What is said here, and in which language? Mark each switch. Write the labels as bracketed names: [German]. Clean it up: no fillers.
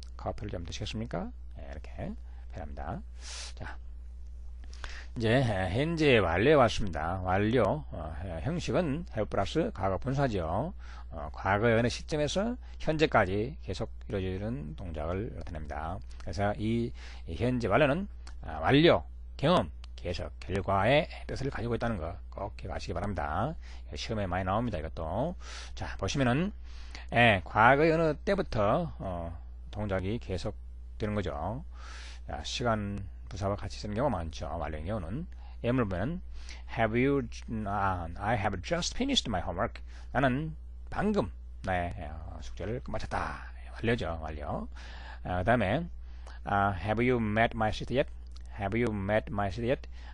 [Korean] 커피를 좀 드시겠습니까? 예, 이렇게 표현합니다. 자, 이제 현재 완료에 왔습니다. 완료 형식은 have 플러스 과거 분사죠. 과거의 어느 시점에서 현재까지 계속 이루어지는 동작을 나타냅니다. 그래서 이 현재 완료는 완료, 경험, 계속, 결과의 뜻을 가지고 있다는 거꼭 기억하시기 바랍니다. 시험에 많이 나옵니다, 이것도. 자, 보시면은, 예, 과거의 어느 때부터, 동작이 계속 되는 거죠. 자, 시간 부사와 같이 쓰는 경우가 많죠, 완료의 경우는. 예문을 보면, [English] I have just finished my homework. [Korean] 나는 방금 나의 숙제를 끝마쳤다. 완료죠, 완료. 그 다음에, [English] have you met my sister yet? Have you met my sister yet?